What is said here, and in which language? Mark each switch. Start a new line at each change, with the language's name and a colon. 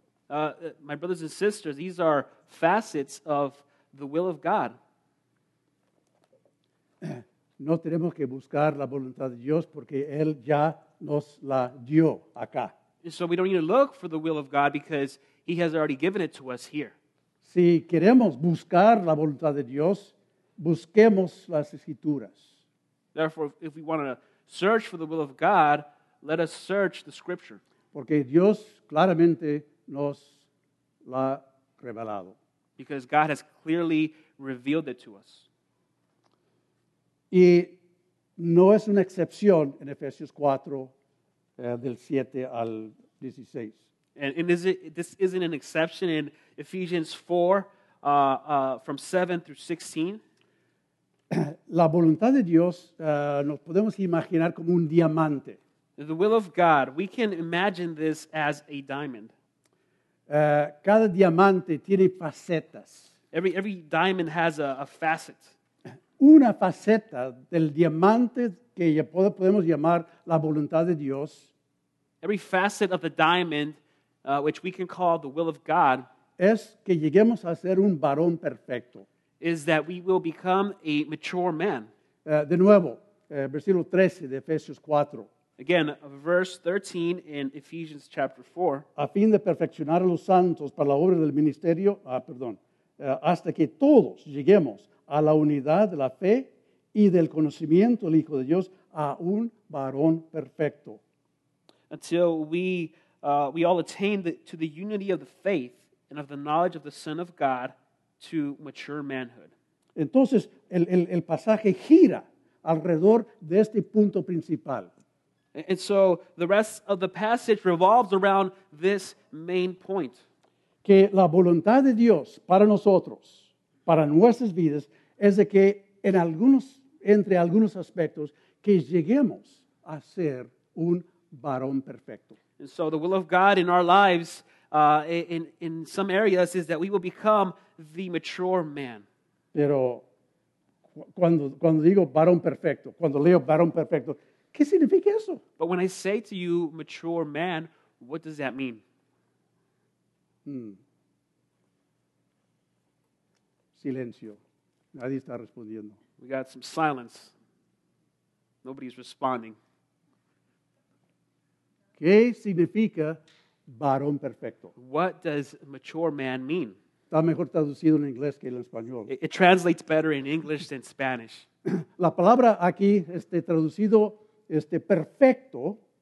English: My brothers and sisters, these are facets of the will of God.
Spanish: No tenemos que buscar la voluntad de Dios porque Él ya nos la dio acá.
English: And so we don't need to look for the will of God because He has already given it to us here.
Spanish: Si queremos buscar la voluntad de Dios, busquemos las Escrituras.
English: Therefore, if we want to search for the will of God, let us search the Scripture.
Spanish: Porque Dios claramente nos la ha revelado.
English: Because God has clearly revealed it to us.
Spanish: Y no es una excepción en Efesios 4, del 7 al 16.
English: And is it, this isn't an exception in Ephesians 4, from 7 through 16.
Spanish: La voluntad de Dios nos podemos imaginar como un diamante.
English: The will of God. We can imagine this as a diamond.
Spanish: Cada diamante tiene facetas.
English: Every diamond has a facet.
Spanish: Una faceta del diamante que ya podemos llamar la voluntad de Dios.
English: Every facet of the diamond, which we can call the will of God,
Spanish: es que lleguemos a ser un varón perfecto.
English: Is that we will become a mature man.
Spanish: De nuevo, versículo 13 de Efesios 4.
English: Again, verse 13 in Ephesians chapter 4.
Spanish: A fin de perfeccionar a los santos para la obra del ministerio, hasta que todos lleguemos a la unidad de la fe y del conocimiento del Hijo de Dios, a un varón perfecto.
English: Until we all attain to the unity of the faith and of the knowledge of the Son of God to mature manhood.
Spanish: Entonces, el pasaje gira alrededor de este punto principal.
English: And so the rest of the passage revolves around this main point.
Spanish: Que la voluntad de Dios para nosotros, para nuestras vidas, es de que entre algunos aspectos, que lleguemos a ser un varón perfecto.
English: And so the will of God in our lives, in some areas, is that we will become the mature man.
Spanish: Pero cuando digo varón perfecto, cuando leo varón perfecto, ¿qué significa eso?
English: But when I say to you, mature man, what does that mean?
Spanish: Silencio. Nadie está respondiendo.
English: We got some silence. Nobody's responding.
Spanish: ¿Qué significa varón perfecto?
English: What does mature man mean?
Spanish: Está mejor traducido en inglés que en español.
English: It translates better in English than Spanish.
Spanish: La palabra aquí, traducido, perfecto.